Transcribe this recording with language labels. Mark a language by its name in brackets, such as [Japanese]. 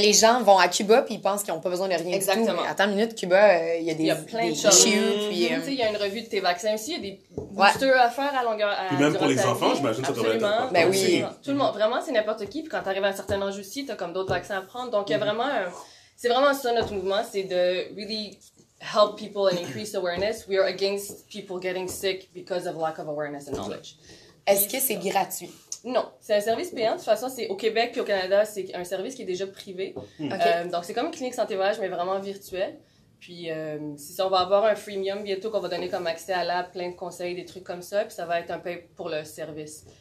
[French] les gens vont à Cuba puis ils pensent qu'ils n'ont pas besoin de rien exactement. Du tout. Exactement. Attends une minute, Cuba, il y a des... Il y a plein de choses. Puis, il y a une revue de tes vaccins aussi. Il y a des boosters ouais. à faire à longueur. Puis même pour les enfants, j'imagine absolument. Ça devrait être... Ben oui. Tout le monde. Vraiment, c'est n'importe qui. Puis quand t'arrives à un certain âge aussi, t'as comme d'autres vaccins à prendre. Donc, il y a vraiment... C'est vraiment ça, notre mouvement. C'est de [English] really help people and increase awareness. We are against people getting sick because of lack of awareness and knowledge. [French] Est-ce que c'est gratuit? Non, c'est un service payant. De toute façon, c'est au Québec puis au Canada, c'est un service qui est déjà privé. Okay. Donc, c'est comme une clinique santé voyage, mais vraiment virtuelle. Puis, si ça, on va avoir un freemium bientôt qu'on va donner comme accès à l'app, plein de conseils, des trucs comme ça. Puis, ça va être un peu pour le service.